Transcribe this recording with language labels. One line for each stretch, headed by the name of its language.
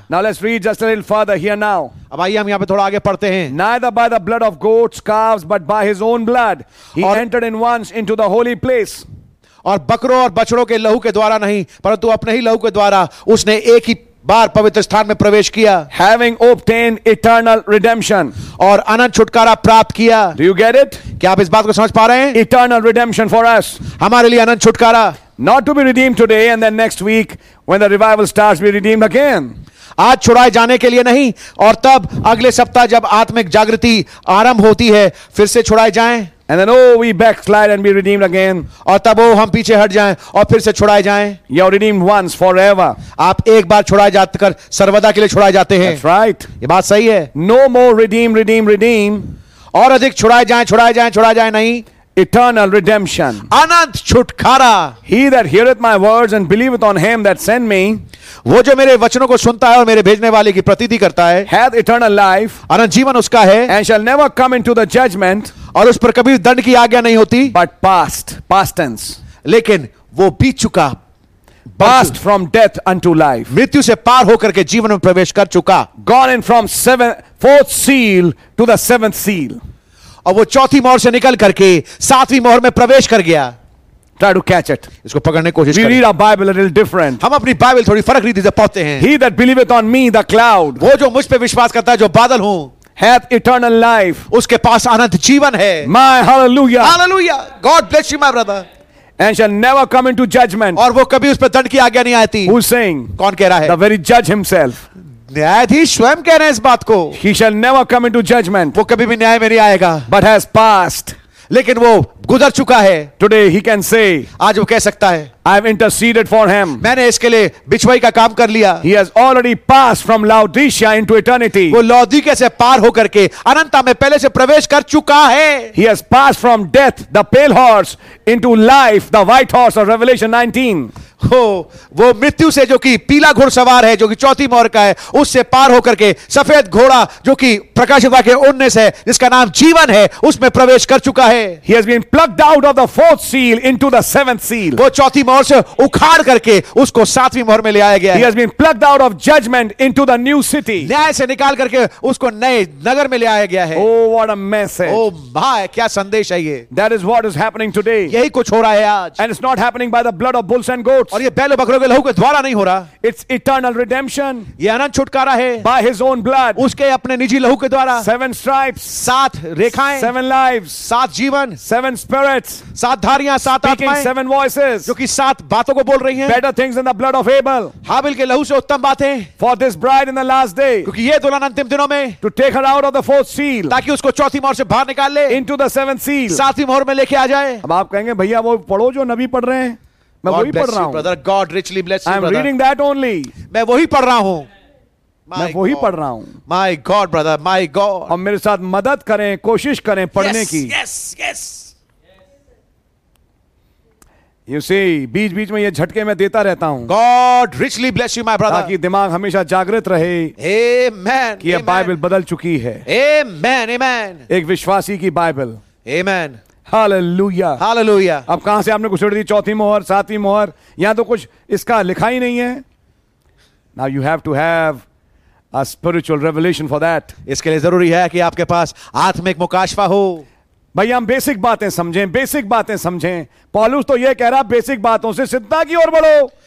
English: Now let's read just a little further here now.
Hindi: अब आइए हम यहाँ पे थोड़ा आगे पढ़ते हैं.
English: Neither by the blood of goats calves but by his own blood he entered in once into the holy place.
Hindi: और बकरों और बछड़ों के लहू के द्वारा नहीं, परंतु अपने ही लहू के द्वारा उसने एक ही बार पवित्र स्थान में प्रवेश किया.
English: Having obtained eternal redemption,
Hindi: और अनंत छुटकारा प्राप्त किया.
English: Do you get it?
Hindi: क्या आप इस बात को समझ पा रहे हैं?
English: Eternal redemption for us.
Hindi: हमारे लिए अनंत छुटकारा.
English: Not to be redeemed today and then next week when the revival starts be redeemed again.
Hindi: आज छुड़ाए जाने के लिए नहीं, और तब अगले सप्ताह जब आत्मिक जागृति आरंभ होती है फिर से छुड़ाए जाएं.
English: And then oh we backslide and be redeemed again.
Hindi: और तब वो हम पीछे हट जाएं और फिर से छुड़ाए जाएं.
English: You are redeemed once forever.
Hindi: आप एक बार छुड़ाए जाकर सर्वदा के लिए छुड़ाए जाते हैं.
English: That's right.
Hindi: ये बात सही है.
English: No more redeem, redeem, redeem.
Hindi: और अधिक छुड़ाए जाएं, छुड़ाए जाएं, छुड़ाए जाएं नहीं.
English: Eternal redemption.
Hindi: अनंत छुटकारा.
English: He that heareth my words and believeth on him that sent me.
Hindi: वो जो मेरे वचनों को सुनता है और मेरे भेजने वाले की प्रतीति करता है.
English: Hath eternal life.
Hindi: अनंत जीवन उसका है.
English: And shall never come into the judgment.
Hindi: और उस पर कभी दंड की आज्ञा नहीं होती.
English: But past tense.
Hindi: लेकिन वो बीत चुका.
English: Passed from death unto life.
Hindi: मृत्यु से पार होकर के जीवन में प्रवेश कर चुका.
English: Gone in from fourth seal to the seventh seal.
Hindi: और वो चौथी मोहर से निकल करके सातवीं मोहर में प्रवेश कर गया.
English: Try to catch it.
Hindi: इसको पकड़ने की कोशिश
English: करें. We read our Bible a little different.
Hindi: हम अपनी बाइबल थोड़ी फरक रीति से पढ़ते हैं.
English: He that believeth on me, the cloud.
Hindi: वो जो मुझ पे विश्वास करता है जो बादल हूं.
English: Hath eternal life.
Hindi: उसके पास अनंत जीवन है.
English: My hallelujah. Hallelujah. God bless you, my brother. And shall never come into judgment.
Hindi: और वो कभी उस पर दंड की आज्ञा नहीं आती.
English: Who's saying?
Hindi: कौन कह रहा है?
English: The very judge himself.
Hindi: न्यायाधीश स्वयं कह रहे हैं इस बात को.
English: He shall never come into judgment.
Hindi: वो कभी भी न्याय में नहीं आएगा.
English: But has passed.
Hindi: लेकिन वो गुजर चुका है.
English: Today he can say.
Hindi: आज वो कह सकता है.
English: I've interceded for him.
Hindi: मैंने इसके लिए बिचवाई का काम कर लिया.
English: He has already passed from Laodicea into eternity.
Hindi: वो लौदीकिया से पार होकर के अनंतता में पहले से प्रवेश कर चुका है.
English: He has passed from death, the pale horse, into life, the white horse of Revelation 19.
Hindi: हो वो मृत्यु से जो कि पीला घुड़सवार है जो कि चौथी मोहर का है उससे पार होकर के सफेद घोड़ा जो कि प्रकाशित वाक्य 19 है जिसका नाम जीवन है उसमें प्रवेश कर चुका है.
English: He has been plucked out of the fourth seal into the seventh seal.
Hindi: वो चौथी मोहर से उखाड़ करके उसको सातवीं मोहर में ले आया गया.
English: He has been plucked out of judgment into the new city.
Hindi: न्याय से निकाल करके उसको नए नगर में ले आया गया है.
English: Oh what a message.
Hindi: ओ भाई क्या संदेश है ये.
English: That is what is happening today.
Hindi: यही कुछ हो रहा है आज.
English: And it's not happening by the blood of bulls and goats.
Hindi: और ये बैलों बकरों के लहू के द्वारा नहीं हो रहा.
English: It's eternal redemption.
Hindi: ये अनंत छुटकारा है.
English: By his own blood.
Hindi: उसके अपने निजी लहू के द्वारा.
English: Seven stripes.
Hindi: सात रेखाएं.
English: Seven lives.
Hindi: सात जीवन.
English: Seven spirits.
Hindi: सात धारियां. सात आत्माएं.
English: Seven voices.
Hindi: जो कि सात बातों को बोल रही हैं.
English: Better things than the blood of Abel.
Hindi: हाबिल के लहू से उत्तम बातें.
English: For this bride in the last day.
Hindi: क्योंकि ये दुल्हन अंतिम दिनों में.
English: To take her out of the fourth seal.
Hindi: ताकि उसको चौथी मोहर से बाहर निकाल ले.
English: Into the seventh seal.
Hindi: सातवीं मोहर में लेके आ जाए. अब आप कहेंगे भैया वो पढ़ो जो नबी पढ़ रहे हैं. मैं वही पढ़ रहा हूँ,
English: brother. God richly bless you, brother. I'm reading that only.
Hindi: मैं वही पढ़ रहा हूँ. मैं वही पढ़ रहा हूँ.
English: My God, brother. My God.
Hindi: और मेरे साथ मदद करें, कोशिश करें पढ़ने की.
English: Yes, yes. You see,
Hindi: बीच-बीच में ये झटके मैं देता रहता हूँ.
English: God richly bless you, my brother.
Hindi: ताकि दिमाग हमेशा जागृत रहे.
English: Amen.
Hindi: कि ये Bible बदल चुकी है.
English: Amen, amen.
Hindi: एक विश्वासी की Bible.
English: Amen. Hallelujah. Hallelujah.
Hindi: अब कहां से आपने कुछ छोड़ दी चौथी मोहर सातवीं मोहर यहां तो कुछ इसका लिखा ही नहीं है.
English: Now you have to have a spiritual revelation for that.
Hindi: इसके लिए जरूरी है कि आपके पास आत्मिक मुकाशवा हो. भैया हम बेसिक बातें समझें, बेसिक बातें समझें. पौलुस तो यह कह रहा बेसिक बातों से सिद्धता की ओर बढ़ो.